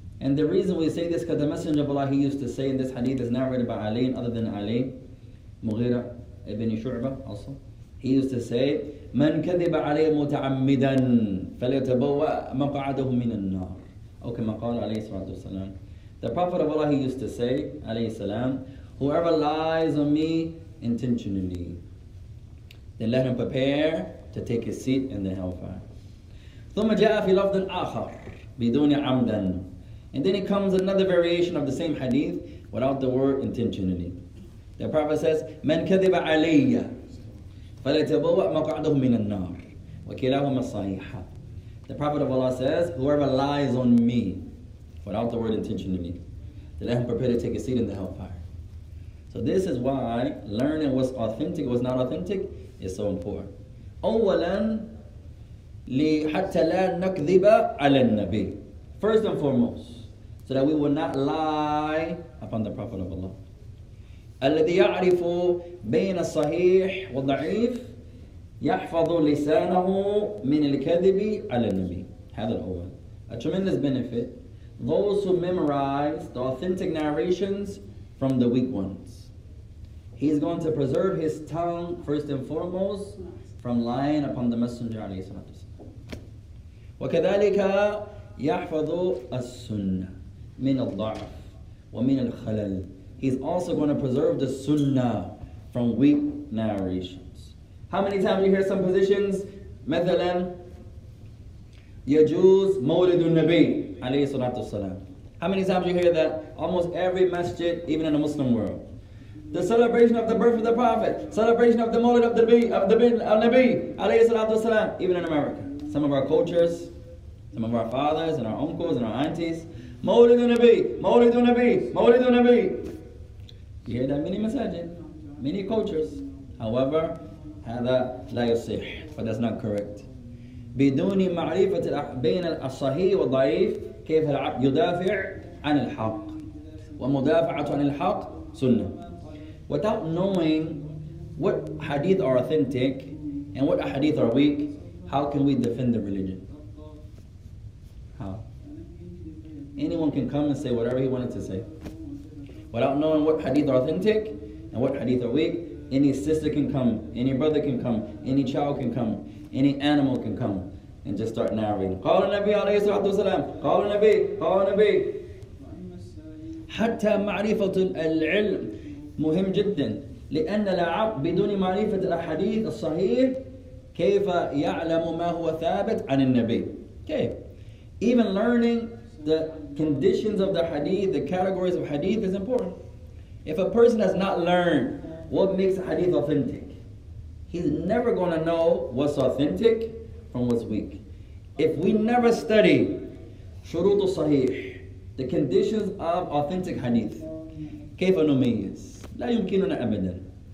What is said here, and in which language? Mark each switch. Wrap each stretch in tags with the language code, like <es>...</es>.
<en>And the reason we say this because the Messenger of Allah he used to say in this hadith is narrated by Ali other than Ali, مغيرة ابن شعبة also. He used to say</en> <ar>من كذب علي متعمدا فليتبوأ مقعده من النار. أو كما قال عليه الصلاة والسلام.</ar> <en>The Prophet of Allah he used to say</en> <ar>عليه السلام,</ar> <en>whoever lies on me intentionally, then let him prepare to take his seat in the hellfire.</en> <ar>ثم جاء في لفظ آخر بدون عمدا.</ar> <en>And then it comes another variation of the same hadith without the word intentionally. The Prophet says,</en> <ar>من كذب علي فليتبوأ مقعده من النار وكلاهما صحيح.</ar> <en>The Prophet of Allah says, whoever lies on me without the word intentionally, then let him prepare to take his seat in the hellfire. So this is why learning what's authentic, what's not authentic, is so important.</en> <ar>أولاً لِحَتَّى لَا نَكْذِبَ عَلَى النَّبِي.</ar> <en>First and foremost, so that we will not lie upon the Prophet of Allah.</en> <ar>الَّذِي يَعْرِفُ بَيْنَ الصَّحِيحِ وَالضَّعِيفِ يَحْفَظُ لِسَانَهُ مِنِ الْكَذِبِ عَلَى النَّبِي. هذا هو.</ar> <en>A tremendous benefit. Those who memorize the authentic narrations from the weak ones, he's going to preserve his tongue first and foremost from lying upon the Messenger</en> <ar>عليه الصلاة والسلام. وكذلك يحفظ السنة من الضعف ومن الخلل.</ar> <en>He's also going to preserve the Sunnah from weak narrations. How many times you hear some positions,</en> <ar>مثلا يجوز مولد النبي عليه الصلاة والسلام.</ar> <en>How many times you hear that? Almost every masjid, even in the Muslim world. The celebration of the birth of the Prophet, celebration of the Mawlid of the Nabi, alayhi salatu wasalam, even in America. Some of our cultures, some of our fathers and our uncles and our aunties, Mawlid Nabi, Mawlid Nabi, Mawlid Nabi. You hear that? Many masajid, many cultures. However,</en> <ar>هذا لا يصح,</ar> <en>but that's not correct.</en> <ar>بدون معرفة بين الصحيح والضعيف كيف يدافع عن الحق ومدافعة عن الحق سنة.</ar> <en>Without knowing what hadith are authentic and what hadith are weak, how can we defend the religion? How? Anyone can come and say whatever he wanted to say. Without knowing what hadith are authentic and what hadith are weak, any sister can come, any brother can come, any child can come, any animal can come and just start narrating.</en> <ar>قال النبي عليه الصلاة والسلام قال النبي قال النبي حتى معرفة العلم مهم جدا لأن العبد بدون معرفة الحديث الصحيح كيف يعلم ما هو ثابت عن النبي.</ar> <en>Okay. Even learning the conditions of the hadith, the categories of hadith is important. If a person has not learned what makes a hadith authentic, he's never going to know what's authentic from what's weak. If we never study shurutu sahih, the conditions of authentic hadith,</en> <ar>kayfa numayyiz, la yumkinuna abadan.</ar>